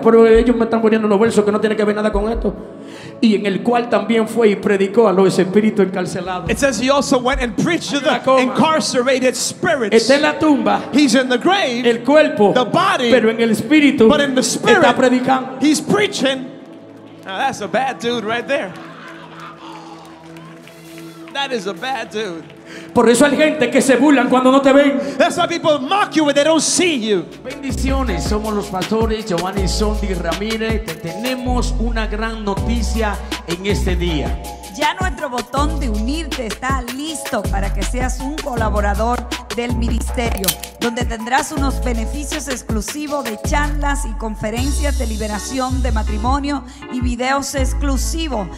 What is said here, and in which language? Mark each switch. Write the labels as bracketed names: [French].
[Spanish] Pero ellos me están poniendo los versos que no tienen que ver nada con esto. Y en el cual también fue y predicó a los espíritus encarcelados. [English] It says he also went and preached to the incarcerated spirits. [Spanish] Está en la tumba. [English] He's in the grave. [Spanish] El cuerpo. [English] The body. [Spanish] Pero en el espíritu. [English] But in the spirit. [Spanish] Está predicando. [English] He's preaching. Now that's a bad dude right there. That is a bad dude. [Spanish] Por eso hay gente que se burlan cuando no te ven. [English] That's why people mock you when they don't see you. [Spanish] Bendiciones, somos los pastores Giovanni Sondi Ramírez. Te tenemos una gran noticia en este día. Ya nuestro botón de unirte está listo para que seas un colaborador del ministerio, donde tendrás unos beneficios exclusivos de charlas y conferencias de liberación de matrimonio y videos exclusivos.